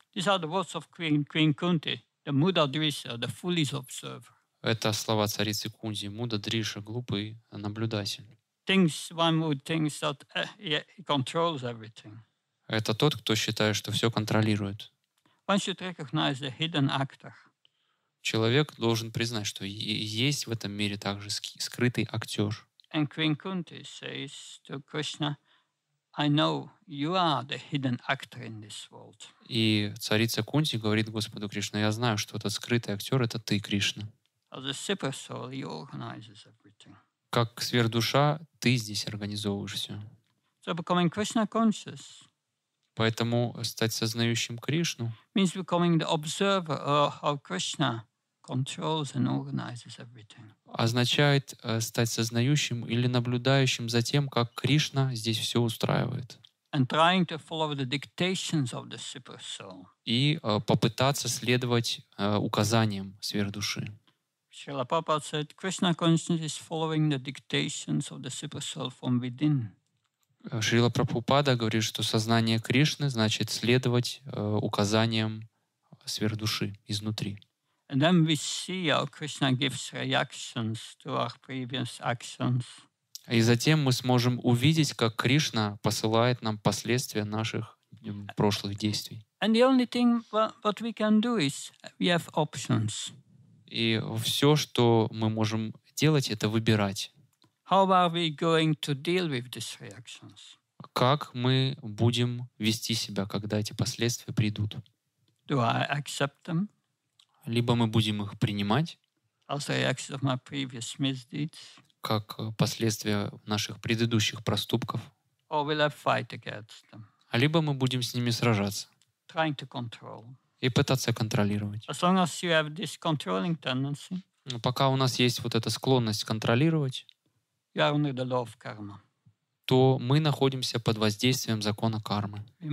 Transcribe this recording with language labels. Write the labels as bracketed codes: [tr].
[en] these are the words of Queen Kunti, the mudadrisha, the foolish observer. [ru] Это слова царицы Кунти, мудадриша, глупый наблюдатель. [en] Things one would think that he controls everything. [ru] Это тот, кто считает, что все контролирует. [en] One should recognize the hidden actor. [ru] Человек должен признать, что есть в этом мире также скрытый актер. [en] And Queen Kunti says to Krishna, I know you are the hidden actor in this world. [ru] И царица Кунти говорит Господу Кришне: я знаю, что этот скрытый актер — это ты, Кришна. [en] As a super soul, you organize everything. [ru] Как сверхдуша, ты здесь организовываешь все. [en] So becoming Krishna conscious. [ru] Поэтому стать сознающим Кришну [en] means becoming the observer of how Krishna controls and organizes everything. [ru] Означает стать сознающим или наблюдающим за тем, как Кришна здесь все устраивает. [en] And trying to follow the dictations of the super soul. [ru] И попытаться следовать указаниям сверхдуши. [en] Srila Prabhupada said, Krishna consciousness is following the dictations of the super soul from within. [ru] Srila Prabhupada говорит, что сознание Кришны значит следовать указаниям сверхдуши изнутри. [en] And then we see how Krishna gives reactions to our previous actions. [ru] И затем мы сможем увидеть, как Кришна посылает нам последствия наших прошлых действий. [en] And the only thing what we can do is we have options. [ru] И все, что мы можем делать, это выбирать. [en] How are we going to deal with these reactions? [ru] Как мы будем вести себя, когда эти последствия придут? [en] Do I accept them? [ru] Либо мы будем их принимать. [en] As a reaction of my previous misdeeds. [ru] Как последствия наших предыдущих проступков. [en] Or will I fight against them? [ru] Либо мы будем с ними сражаться. [en] Trying to control. [ru] И пытаться контролировать. [en] As long as you have this controlling tendency, [ru] но пока у нас есть вот эта склонность контролировать, [en] you are under the law of karma. [ru] То мы находимся под воздействием закона кармы.